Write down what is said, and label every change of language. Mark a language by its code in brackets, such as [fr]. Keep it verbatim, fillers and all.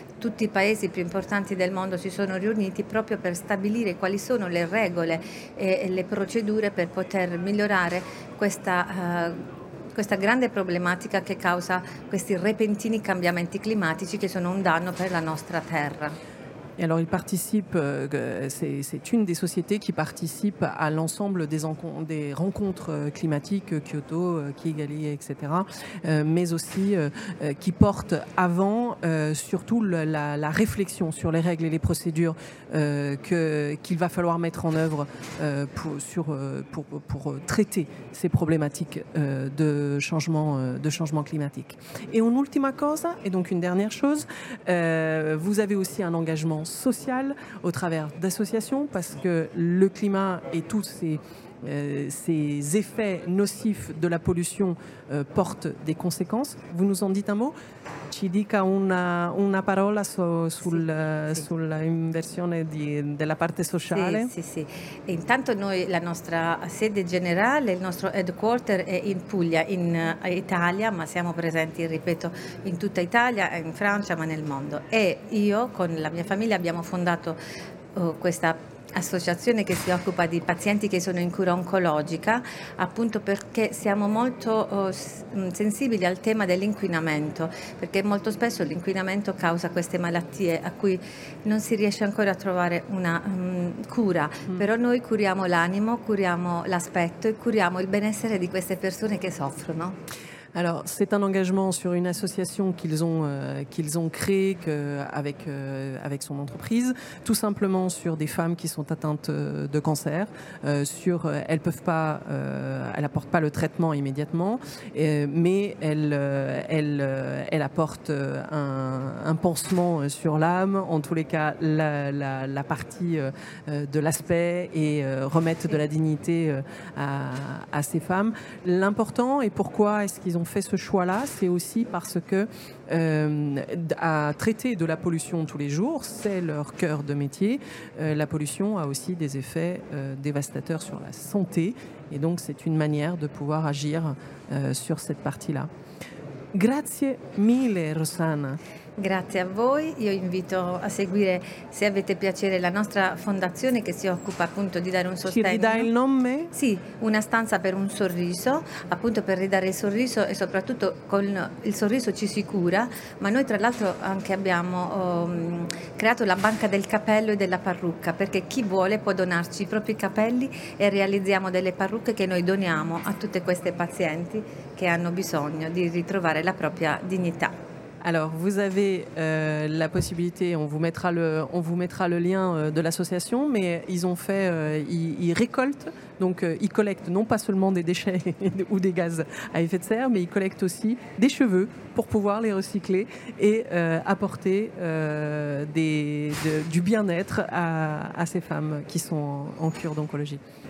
[it] tutti i paesi più importanti del mondo si sono riuniti proprio per stabilire quali sono le regole e, e le procedure per poter migliorare questa uh, questa grande problematica che causa questi repentini cambiamenti climatici che sono un danno per la nostra terra. [fr] Et alors, ils participent, euh, c'est, c'est une des sociétés qui participe à l'ensemble des, encon- des rencontres climatiques, Kyoto, Kigali, et cetera, euh, mais aussi euh, qui porte avant euh, surtout la, la réflexion sur les règles et les procédures euh, que, qu'il va falloir mettre en œuvre euh, pour, sur, pour, pour traiter ces problématiques euh, de, changement, euh, de changement climatique. Et [it] un'ultima cosa, [fr] et donc une dernière chose, euh, vous avez aussi un engagement social au travers d'associations, parce que le climat et tous ces, euh, ces effets nocifs de la pollution euh, portent des conséquences. Vous nous en dites un mot? [it] Ci dica una, una parola so, sul, Sì, sì. sulla inversione di, della parte sociale? Sì, sì, sì. E intanto noi, la nostra sede generale, il nostro headquarter è in Puglia, in eh, Italia, ma siamo presenti, ripeto, in tutta Italia, in Francia, ma nel mondo. E io con la mia famiglia abbiamo fondato oh, questa associazione che si occupa di pazienti che sono in cura oncologica, appunto perché siamo molto oh, s- mh, sensibili al tema dell'inquinamento, perché molto spesso l'inquinamento causa queste malattie a cui non si riesce ancora a trovare una mh, cura, però noi curiamo l'animo, curiamo l'aspetto e curiamo il benessere di queste persone che soffrono. [fr] Alors, c'est un engagement sur une association qu'ils ont, euh, qu'ils ont créée que, avec, euh, avec son entreprise, tout simplement sur des femmes qui sont atteintes euh, de cancer. Euh, sur, euh, elles peuvent pas, euh, elles apportent pas le traitement immédiatement, euh, mais elles, euh, elles, euh, elles apportent euh, un, un pansement euh, sur l'âme, en tous les cas la, la, la partie euh, euh, de l'aspect, et euh, remettent de la dignité euh, à, à ces femmes. L'important, et pourquoi est-ce qu'ils ont fait ce choix-là, c'est aussi parce que euh, à traiter de la pollution tous les jours, c'est leur cœur de métier. Euh, la pollution a aussi des effets euh, dévastateurs sur la santé, et donc c'est une manière de pouvoir agir euh, sur cette partie-là. [it] Grazie mille, Rosanna. Grazie a voi, io invito a seguire, se avete piacere, la nostra fondazione che si occupa appunto di dare un Ci ridai il sostegno. nome? Sì, una stanza per un sorriso, appunto per ridare il sorriso, e soprattutto con il sorriso ci si cura, ma noi tra l'altro anche abbiamo ehm, creato la banca del capello e della parrucca, perché chi vuole può donarci i propri capelli e realizziamo delle parrucche che noi doniamo a tutte queste pazienti che hanno bisogno di ritrovare la propria dignità. [fr] Alors, vous avez euh, la possibilité, on vous mettra le, on vous mettra le lien euh, de l'association, mais ils ont fait, euh, ils, ils récoltent, donc euh, ils collectent non pas seulement des déchets ou des gaz à effet de serre, mais ils collectent aussi des cheveux pour pouvoir les recycler et euh, apporter euh, des, de- du bien-être à, à ces femmes qui sont en, en cure d'oncologie.